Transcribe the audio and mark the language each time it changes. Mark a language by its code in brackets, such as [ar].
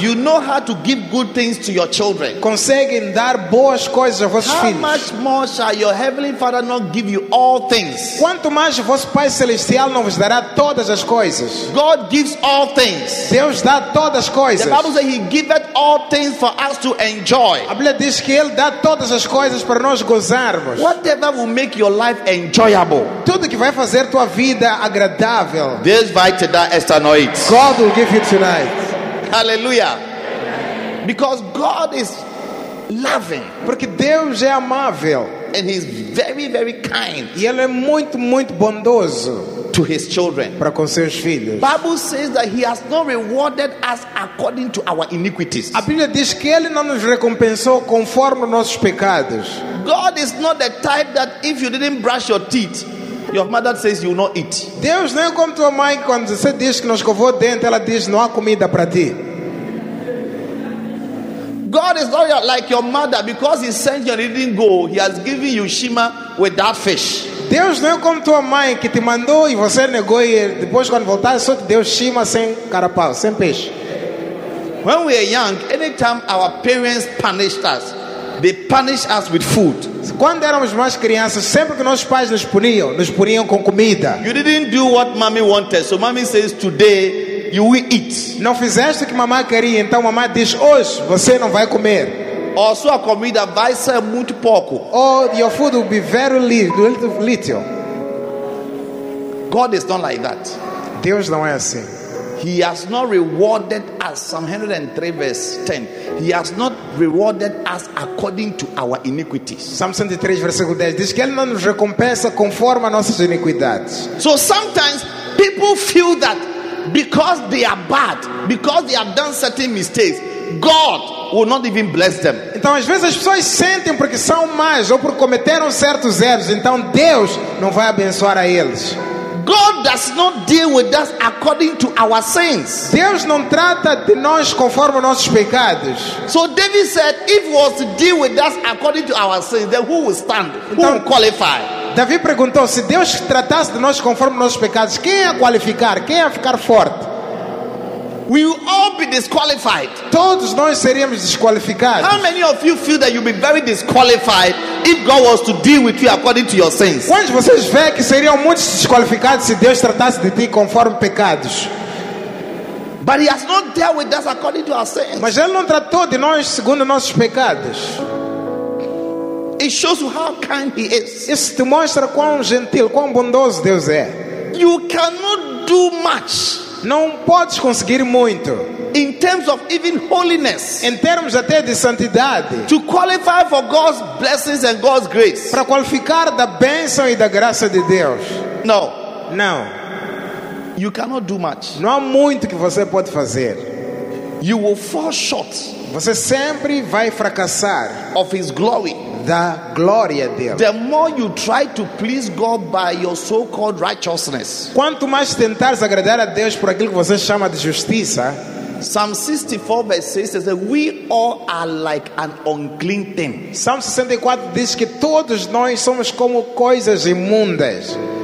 [en] you know how to give good things to your children, [pt] conseguem dar boas coisas aos vossos filhos, [en] how much more shall your heavenly father not give you all things? [pt] Quanto mais vosso Pai Celestial não vos dará todas as coisas? [en] God gives all things. [pt] Deus dá todas as coisas. [en] The Bible says he giveth all things for us to enjoy. [pt] A Bíblia diz que ele dá todas as coisas para nós gozarmos. [en] Whatever will make your life enjoyable. [pt] Tudo que vai fazer tua vida agradável. Deus vai te dar esta noite. [en] God will give you tonight. Hallelujah. Because God is loving. [pt] Porque Deus é amável. [en] And he's very, very kind. [pt] E ele é muito, muito bondoso. [en] To his children. [pt] Para com seus filhos. [en] Bible says that he has not rewarded us according to our iniquities. [pt] A Bíblia diz que ele não nos recompensou conforme nossos pecados. [en] God is not the type that if you didn't brush your teeth, your mother says you will not eat. [pt] Deus não é como tua mãe quando você diz que não escovou o dente, ela diz não há comida para ti. [en] God is not like your mother because he sent you and you didn't go. He has given you shima with that fish. [pt] Deus não é como tua mãe que te mandou e você negou e depois quando voltar só te deu shima sem carapau, sem peixe. [en] When we are young, anytime our parents punished us, they punished us with food. [pt] Quando éramos mais crianças, sempre que nossos pais nos puniam com comida. [en] You didn't do what mommy wanted, so mommy says today you will eat. [pt] Não fizeste o que mamãe queria, então mamãe diz hoje você não vai comer. Ou sua comida vai ser muito pouco. [en] Or your food will be very little. God is not like that. [pt] Deus não é assim. [en] He has not rewarded us. Psalm 103 verse 10. He has not rewarded us according to our iniquities. [pt] Psalm 103 versículo 10 diz que ele não nos recompensa conforme as nossas iniquidades. [en] So sometimes people feel that because they are bad, because they have done certain mistakes, God will not even bless them. [pt] Então às vezes as pessoas sentem porque são más ou porque cometeram certos erros, então Deus não vai abençoar a eles. [en] God does not deal with us according to our sins. [pt] Deus não trata de nós conforme nossos pecados. [en] So David said, if he was to deal with us according to our sins, then who will stand? Então, who will qualify? [pt] Davi perguntou, se Deus tratasse de nós conforme nossos pecados, quem ia qualificar? Quem ia ficar forte? [en] We will all be disqualified. [pt] Todos nós seríamos desqualificados. [en] How many of you feel that you'd be very disqualified if God was to deal with you according to your sins? [pt] Quantos de vocês vê que seriam muito desqualificados se Deus tratasse de ti conforme pecados? [en] But he has not dealt with us according to our sins. [pt] Mas ele não tratou de nós segundo nossos pecados. [en] It shows you how kind he is. [pt] Isso te mostra quão gentil, quão bondoso Deus é. [en] You cannot do much. [pt] Não podes conseguir muito. [en] In terms of even holiness, [pt] em termos até de santidade, [en] to qualify for God's blessings and God's grace, [pt] para qualificar da bênção e da graça de Deus, [en] no, [pt] não, [en] you cannot do much. [pt] Não há muito que você pode fazer. [en] You will fall short. [pt] Você sempre vai fracassar [en] of His glory. [pt] Da glória dele. [en] The more you try to please God by your so-called righteousness, [pt] quanto mais tentares agradar a Deus por aquilo que você chama de justiça. [en] Psalm 64 verse 6 says that we all are like an unclean thing. [pt] Psalm 64 diz que todos nós somos como coisas imundas.